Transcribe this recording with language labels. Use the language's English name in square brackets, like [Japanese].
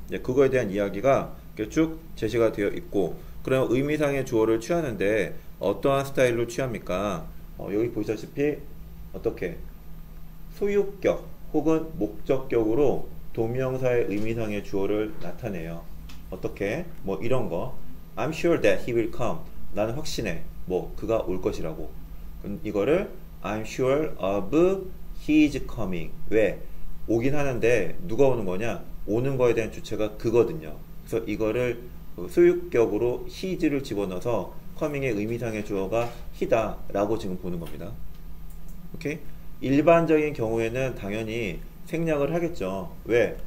[Korean] 이제 그거에 대한 이야기가 쭉 제시가 되어 있고, 그럼 의미상의 주어를 취하는데 어떠한 스타일로 취합니까? 여기 보시다시피 어떻게 소유격 혹은 목적격으로 동명사의 의미상의 주어를 나타내요. 어떻게? 뭐 이런 거. [English] I'm sure that he will come. [Korean] 나는 확신해. 뭐 그가 올 것이라고. 그럼 이거를 [English] I'm sure of he's coming. [Korean] 왜? 오긴 하는데 누가 오는 거냐? 오는 거에 대한 주체가 그거든요. 그래서 이거를 소유격으로 he's를 집어넣어서 coming의 의미상의 주어가 he다라고 지금 보는 겁니다. 오케이? 일반적인 경우에는 당연히 생략을 하겠죠. 왜?